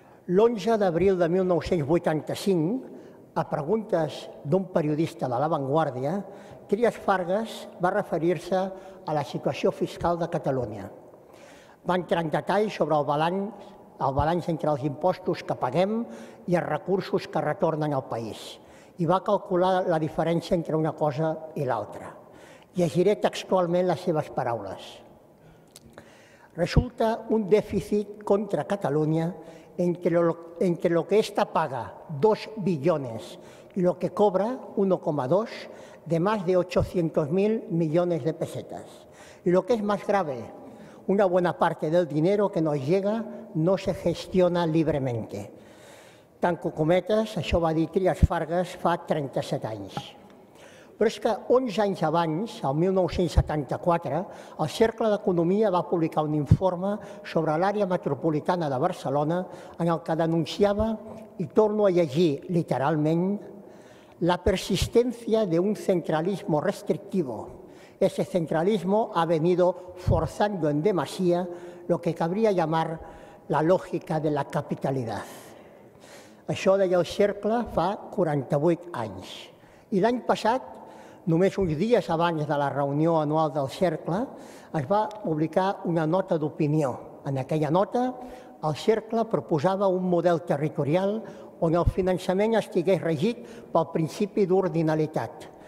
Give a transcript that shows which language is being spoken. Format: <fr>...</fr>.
<ca>L'11 d'abril de 1985, a preguntes d'un periodista de La Vanguardia, Trias Fargas va referir-se a la situació fiscal de Catalunya. Va entrar en detall sobre el balanç entre els impostos que paguem i els recursos que retornen al país, i va calcular la diferència entre una cosa i l'altra. Llegiré textualment les seves paraules.</ca> <es>Resulta un dèficit contra Catalunya entre lo que esta paga, 2 billones, y lo que cobra, 1,2, de más de 800.000 millones de pesetas. Y lo que es más grave, una buena parte del dinero que nos llega no se gestiona libremente.</es> <ca>Tanco cometes, això va dir Trias Fargas fa 37 anys. Però és que 11 anys abans, el 1974, el Cercle d'Economia va publicar un informe sobre l'àrea metropolitana de Barcelona en el que denunciava, i torno a llegir literalment, la persistència d'un centralisme restrictivo.</ca> <es>Ese centralisme ha venido forzando en demasía lo que cabría llamar la lógica de la capitalidad.</es> <ca>Això deia el Cercle fa 48 anys. I l'any passat, només uns dies abans de la reunió anual del Cercle, es va publicar una nota d'opinió. En aquella nota, el Cercle proposava un model territorial on el finançament estigués regit pel principi d'ordinalitat.</ca>